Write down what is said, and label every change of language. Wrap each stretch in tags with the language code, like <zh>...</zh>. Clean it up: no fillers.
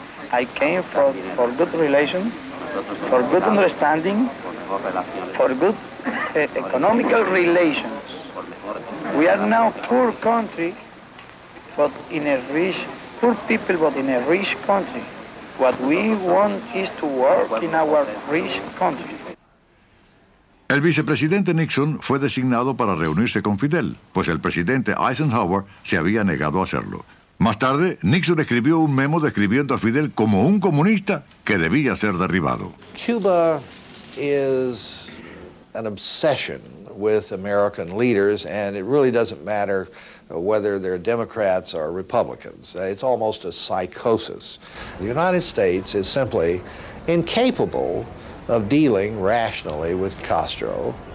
<en>I came for good relations, for good understanding, for good economical relations. We are now poor country, but in a rich poor people, but in a rich country. What we want is to work in our rich country.</en> <es>El vicepresidente Nixon fue designado para reunirse con Fidel, pues el presidente Eisenhower se había negado a hacerlo. Más tarde, Nixon escribió un memo describiendo a Fidel como un comunista que debía ser derribado.</es> <en>Cuba is an obsession with American leaders, and it really doesn't matter whether they're Democrats or Republicans. It's almost a psychosis. The United States is simply incapable of dealing rationally with Castro.</en>